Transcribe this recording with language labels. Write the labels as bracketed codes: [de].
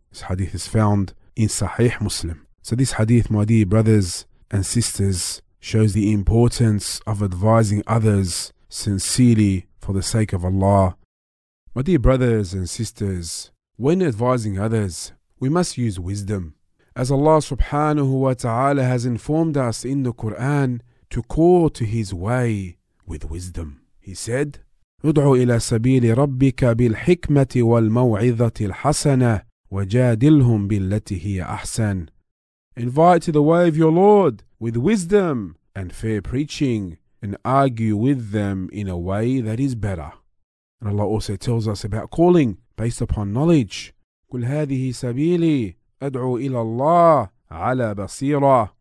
[en] This hadith is found in Sahih Muslim. So this hadith, my dear brothers and sisters, shows the importance of advising others sincerely for the sake of Allah. My dear brothers and sisters, when advising others, we must use wisdom. As Allah subhanahu wa ta'ala has informed us in the Quran to call to his way with wisdom. He said, [ar] ادعو إلى سبيل ربك بالحكمة والموعظة الحسنة وجادلهم بالتي هي أحسن. [en] Invite to the way of your Lord with wisdom and fair preaching, and argue with them in a way that is better. And Allah also tells us about calling based upon knowledge. [ar] قل هذه سبيلي أدعو إلى الله على بصيرة.